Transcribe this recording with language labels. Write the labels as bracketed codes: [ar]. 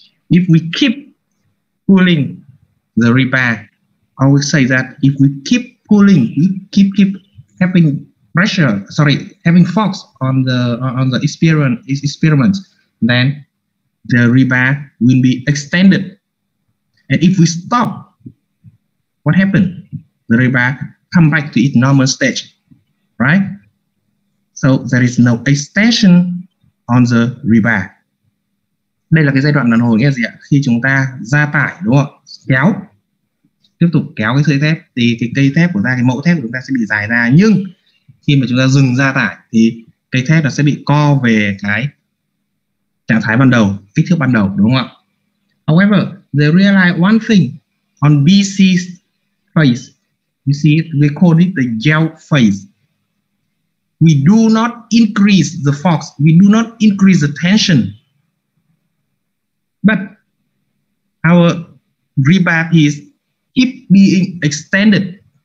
[en] If we keep pulling the rebar, I would say that if we keep pulling, we keep having pressure, sorry, having force on the experiment, then the rebar will be extended. And if we stop, what happened? The rebar come back to its normal stage, right? So there is no extension on the rebar. [vi] Đây là cái giai đoạn đàn hồi, nghĩa gì ạ? Khi chúng ta gia tải đúng không? Kéo, tiếp tục kéo cái sợi thép thì cái cây thép của ta, cái mẫu thép của chúng ta sẽ bị dài ra, nhưng khi mà chúng ta dừng gia tải thì cây thép nó sẽ bị co về cái trạng thái ban đầu, kích thước ban đầu đúng không ạ? [en] However, they realize one thing on BC phase. You see it, we call it the gel phase. We do not increase the force, we do not increase the tension. But our rebar piece keep being extended.